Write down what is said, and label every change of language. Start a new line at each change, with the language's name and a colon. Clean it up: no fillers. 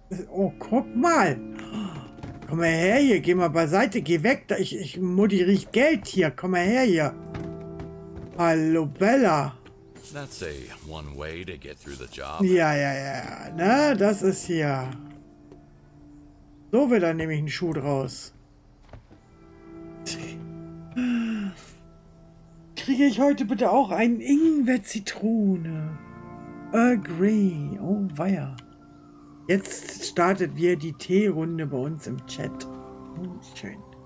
German: Oh, guck mal. Komm mal her hier. Geh mal beiseite. Geh weg. Ich Mutti riecht Geld hier. Komm mal her hier. Hallo, Bella.
English: That's a one way to get through the job.
German: Ja. Na, das ist hier. So wird dann nämlich ein Schuh draus. Kriege ich heute bitte auch einen Ingwer-Zitrone? Earl Grey. Oh, weia. Jetzt startet wieder die Teerunde bei uns im Chat. Schön.